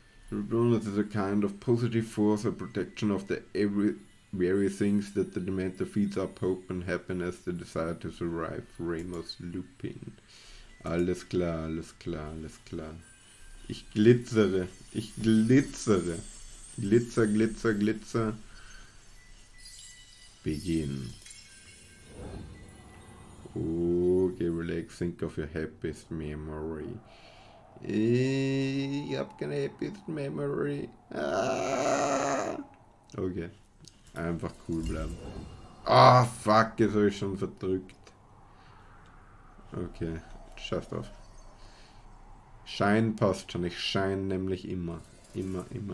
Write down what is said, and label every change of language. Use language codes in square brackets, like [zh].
[en] Patronus is a kind of positive force of protection of the very things that the Dementor feeds up hope and happiness, the desire to survive, Remus Lupin. [de] Alles klar. Ich glitzere, ich glitzere. Glitzer. [en] Begin. Okay, relax, think of your happiest memory. [de] Ich hab keine [en] happiest memory. [de] Ah! Okay. Einfach cool bleiben. Ah, oh, fuck, jetzt hab ich schon verdrückt. Okay, scheiß drauf. Schein passt schon. Ich schein nämlich immer. Immer.